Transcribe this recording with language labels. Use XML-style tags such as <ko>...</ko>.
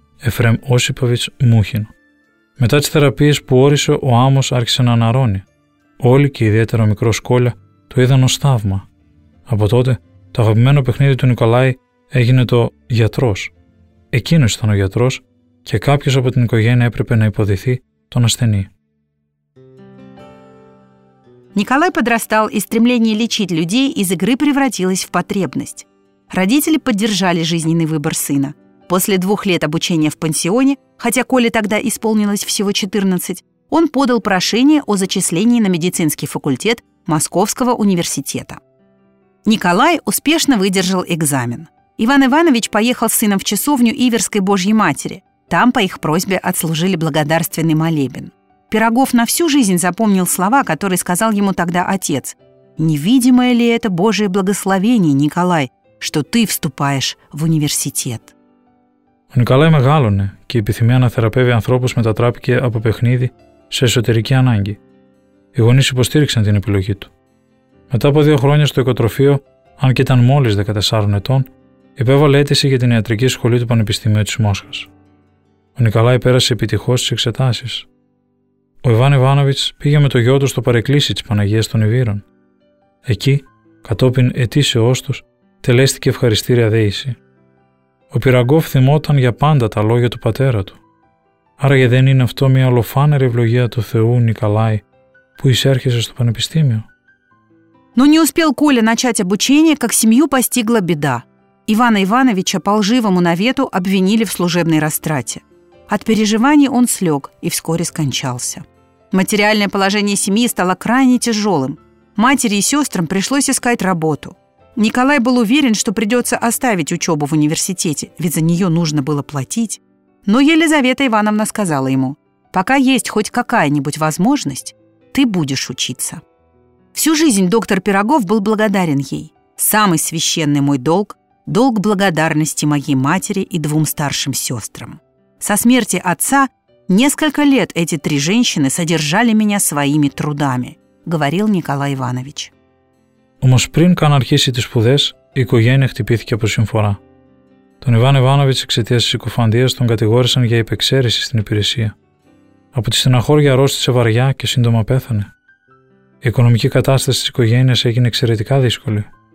<el>Εφραίμ Όσιποβιτς Μούχιν. Μετά τις θεραπείες που όρισε, ο άμμος άρχισε να αναρρώνει. Όλοι και ιδιαίτερα ο μικρός Κόλια το είδαν ως θαύμα. Από τότε το αγαπημένο παιχνίδι του Νικολάη έγινε το «γιατρός». Εκείνος ήταν ο γιατρός και κάποιος από την οικογένεια έπρεπε να υποδηθεί τον ασθενή.</el> <ru>Николай подрастал, и стремление лечить людей из игры превратилось в потребность. Родители поддержали жизненный выбор сына. После 2 лет обучения в пансионе, хотя Коле тогда исполнилось всего 14, он подал прошение о зачислении на медицинский факультет Московского университета. Николай успешно выдержал экзамен. Иван Иванович поехал с сыном в часовню Иверской Божьей Матери. Там по их просьбе отслужили благодарственный молебен. Пирогов на всю жизнь запомнил слова, которые сказал ему тогда отец. «Невидимое ли это Божие благословение, Николай, что ты вступаешь в университет?»</ru> <el>Ο Николай μεγάλωνε και η επιθυμία να θεραπεύει ανθρώπους μετατράπηκε από παιχνίδι σε εσωτερική ανάγκη. Οι γονείς υποστήριξαν την επιλογή του. Μετά από 2 χρόνια στο οικοτροφείο, αν και ήταν μόλις 14 ετών, υπέβαλε αίτηση για την ιατρική σχολή του Πανεπιστημίου της Μόσχας. Ο Νικολάη πέρασε επιτυχώς τις εξετάσεις. Ο Ιβάν Ιβάνοβιτς πήγε με το γιο του στο παρεκκλήσι της Παναγίας των Ιβύρων. Εκεί, κατόπιν αιτήσεώς τους, τελέστηκε ευχαριστήρια δέηση. Ο Πυραγκόφ θυμόταν για πάντα τα λόγια του πατέρα του. Άραγε δεν είναι αυτό μια ολοφάνερη ευλογία του Θεού, Νικολάη, που εισέρχεσαι στο Πανεπιστήμιο?</el> <ru>Но не успел Коля начать обучение, как семью постигла беда. Ивана Ивановича по лживому навету обвинили в служебной растрате. От переживаний он слег и вскоре скончался. Материальное положение семьи стало крайне тяжелым. Матери и сестрам пришлось искать работу. Николай был уверен, что придется оставить учебу в университете, ведь за нее нужно было платить. Но Елизавета Ивановна сказала ему: «Пока есть хоть какая-нибудь возможность, ты будешь учиться». Всю жизнь доктор Пирогов был благодарен ей. «Самый священный мой долг – долг благодарности моей матери и 2 старшим сестрам». Со смерти отца несколько лет эти 3 женщины содержали меня своими трудами, говорил Николай Иванович.</ru> <el>Όμως πριν καν αρχίσει τις σπουδές, η οικογένεια χτυπήθηκε από συμφορά. Τον Ιβάν Ιβάνοβιτς εξαιτίας της συκοφαντίας τον κατηγόρησαν για υπεξαίρεση στην υπηρεσία. Από τη στεναχώρια αρρώστησε βαριά και σύντομα πέθανε. Η οικονομική κατάσταση της οικογένειας έγινε εξαιρετικά δύσκολη.</el>